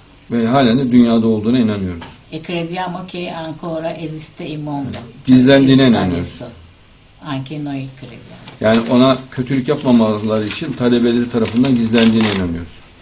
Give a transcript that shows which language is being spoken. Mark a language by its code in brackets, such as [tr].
[tr] Ve halen de dünyada olduğuna inanıyoruz. [it] E crediamo che ancora esiste il mondo. [tr] Gizlendiğine inanıyoruz. [it] Anche noi crediamo. [tr] Yani ona kötülük yapmamaları için talebeleri tarafından gizlendiğine inanıyoruz.